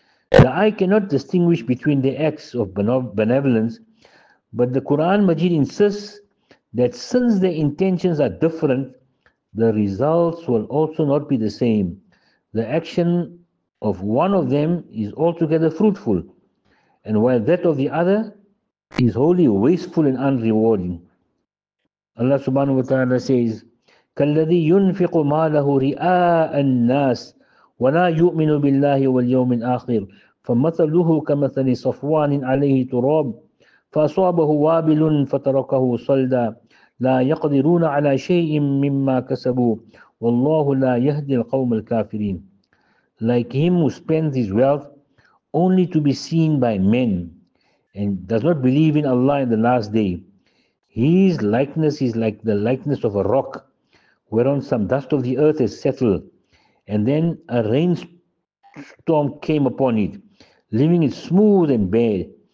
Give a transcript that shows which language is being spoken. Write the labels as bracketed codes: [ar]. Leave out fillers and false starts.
[en] The eye cannot distinguish between the acts of benevolence, but the Quran Majid insists that since their intentions are different, the results will also not be the same. The action of one of them is altogether fruitful, and while that of the other is wholly wasteful and unrewarding. Allah subhanahu wa ta'ala says, [ar] كَالَّذِي يُنْفِقُ مَالَهُ رِئَاءَ النَّاسِ وَلَا يُؤْمِنُ بِاللَّهِ وَالْيَوْمِ الْآخِرِ فَمَثَلُهُ كَمَثَلِ صَفْوَانٍ عَلَيْهِ تُرَابٌ فَأَصَابَهُ وَابِلٌ فَتَرَكَهُ صَلْدًا لَا يَقْدِرُونَ عَلَى شَيْءٍ مِمَّا كَسَبُوا وَاللَّهُ لَا يَهْدِي الْقَوْمَ الْكَافِرِينَ. [en] Like him who spends his wealth only to be seen by men and does not believe in Allah in the last day. His likeness is like the likeness of a rock whereon some dust of the earth is settled, and then a rainstorm came upon it, leaving it smooth and bare.